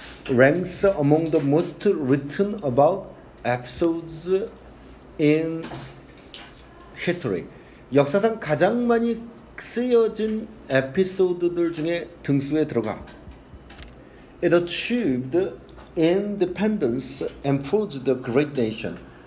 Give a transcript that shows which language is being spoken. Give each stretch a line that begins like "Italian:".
English: Ranks among the most written about episodes in history.
Korean: 역사상 가장 많이 쓰여진 에피소드들 중에 등수에 들어가.
English: It achieved independence and forged the great nation.